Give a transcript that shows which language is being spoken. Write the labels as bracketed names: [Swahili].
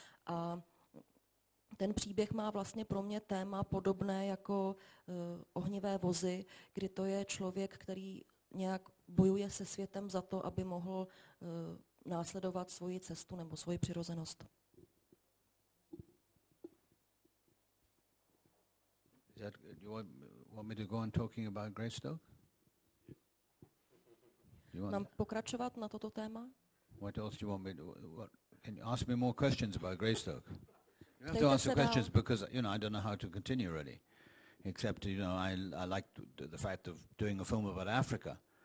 [Czech] A ten příběh má vlastně pro mě téma podobné jako ohnivé vozy, kdy to je člověk, který nějak bojuje se světem za to, aby mohl následovat svoji cestu nebo svoji přirozenost. [English] That, do you want me to go on talking about Greystoke? You want [Czech] pokračovat na toto téma? [English] What else do you want me to? What, can you ask me more questions about Greystoke? You have to answer questions because you know I don't know how to continue really, except you know I like the fact of doing a film about Africa.